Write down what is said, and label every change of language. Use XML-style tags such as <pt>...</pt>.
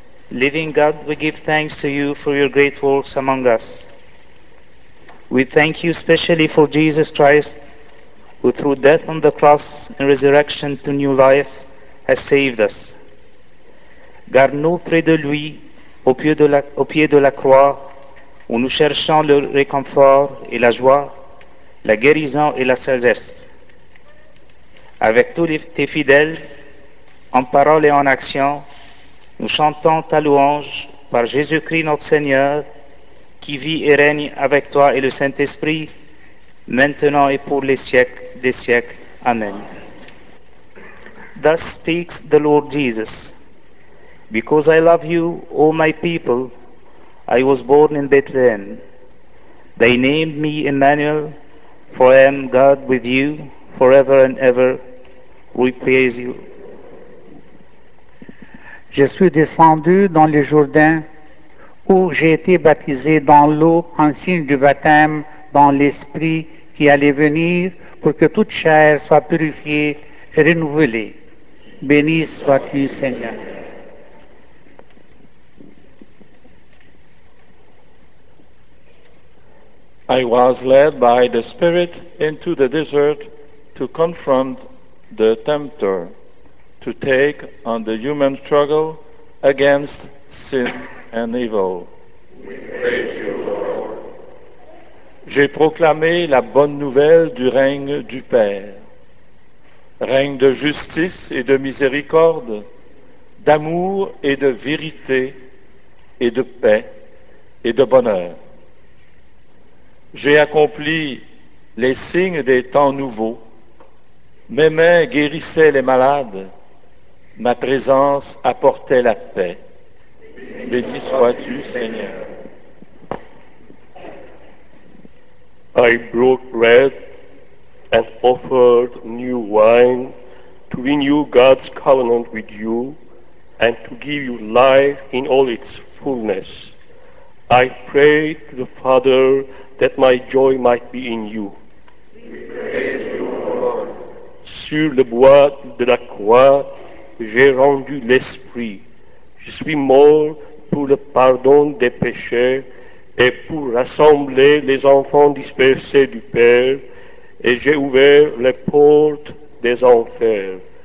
<en>Living God, we give thanks to you for your great works among us. We thank you especially for Jesus Christ, who through death on the cross and resurrection to new life has saved us.</en> <fr>garde-nous près de lui, au pied de la croix, où nous cherchons le réconfort et la joie, la guérison et la sagesse. Avec tous tes fidèles, en parole et en action, nous chantons ta louange par Jésus-Christ notre Seigneur, qui vit et règne avec toi et le Saint-Esprit, maintenant et pour les siècles des siècles.</fr> <en>Amen. Thus speaks the Lord Jesus. Because I love you, O my people, I was born in Bethlehem. They named me Emmanuel, for I am God with you forever and ever. We praise you.</en> <fr>Je suis descendu dans le Jourdain, où j'ai été baptisé dans l'eau en signe du baptême dans l'Esprit qui allait venir pour que toute chair soit purifiée et renouvelée. Béni sois-tu, Seigneur.</fr> <en>I was led by the Spirit into the desert to confront the tempter, to take on the human struggle against sin and evil. We praise you, Lord.</en> <fr>J'ai proclamé la bonne nouvelle du règne du Père, règne de justice et de miséricorde, d'amour et de vérité, et de paix et de bonheur. J'ai accompli les signes des temps nouveaux. Mes mains guérissaient les malades. Ma présence apportait la paix. Béni sois-tu, Seigneur.</fr> <en>I broke bread and offered new wine to renew God's covenant with you and to give you life in all its fullness. I pray to the Father that my joy might be in you. We praise you, Lord.</en> <fr>Sur le bois de la croix, j'ai rendu l'esprit. Je suis mort pour le pardon des péchés et pour rassembler les enfants dispersés du Père, et j'ai ouvert les portes des enfers.</fr>